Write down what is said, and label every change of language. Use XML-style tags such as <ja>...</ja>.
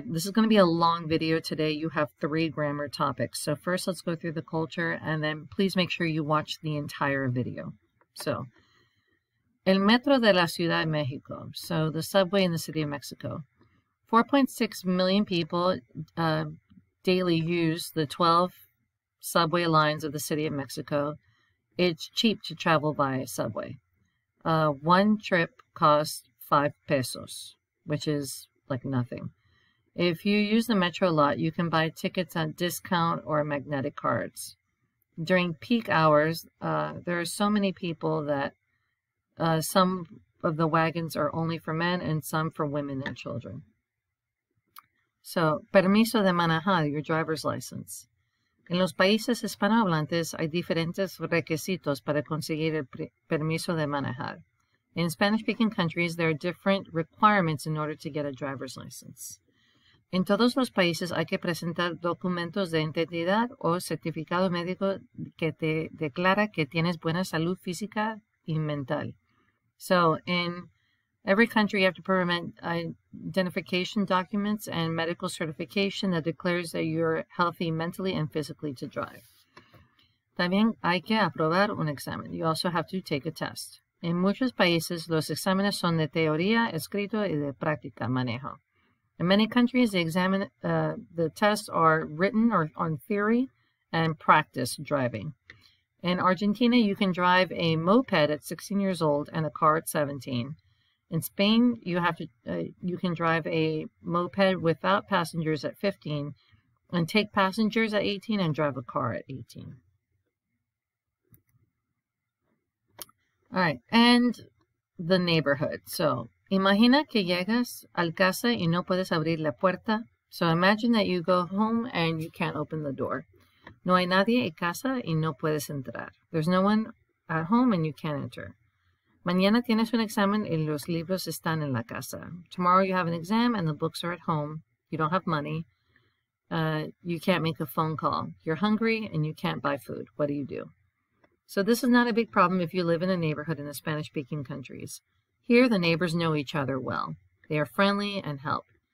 <en>This is going to be a long video today. You have three grammar topics. So first, let's go through the culture, and then please make sure you watch the entire video.</en> <es>So, el metro de la Ciudad de México.</es> <en>So the subway in the City of Mexico. 4.6 million people daily use the 12 subway lines of the City of Mexico. It's cheap to travel by subway. One trip costs 5 pesos, which is like nothing. If you use the metro a lot, you can buy tickets on discount or magnetic cards. During peak hours, there are so many people that some of the wagons are only for men and some for women and children. So,</en> <es>permiso de manejar,</es> <en>your driver's license.</en> <es>En los países hispanohablantes hay diferentes requisitos para conseguir el permiso de manejar.</es> <en>In Spanish-speaking countries, there are different requirements in order to get a driver's license.</en> <es>En todos los países hay que presentar documentos de identidad o certificado médico que te declara que tienes buena salud física y mental.</es> <en>So, in every country, you have to permit identification documents and medical certification that declares that you're healthy mentally and physically to drive.</en> <es>También hay que aprobar un examen.</es> <en>You also have to take a test.</en> <es>En muchos países, los exámenes son de teoría, escrito y de práctica, manejo.</es> <en>In many countries, the tests are written or on theory and practice driving. In Argentina, you can drive a moped at 16 years old and a car at 17. In Spain, you can drive a moped without passengers at 15 and take passengers at 18 and drive a car at 18. Right, and the neighborhood.</en> <es>So, imagina que llegas al casa y no puedes abrir la puerta.</es> <en>So, imagine that you go home and you can't open the door.</en> <es>No hay nadie en casa y no puedes entrar.</es> <en>There's no one at home and you can't enter.</en> <es>Mañana tienes un examen y los libros están en la casa.</es> <en>Tomorrow you have an exam and the books are at home. You don't have money. You can't make a phone call. You're hungry and you can't buy food. What do you do? So this is not a big problem if you live in a neighborhood in the Spanish-speaking countries. Here, the neighbors know each other well. They are friendly and help.</en>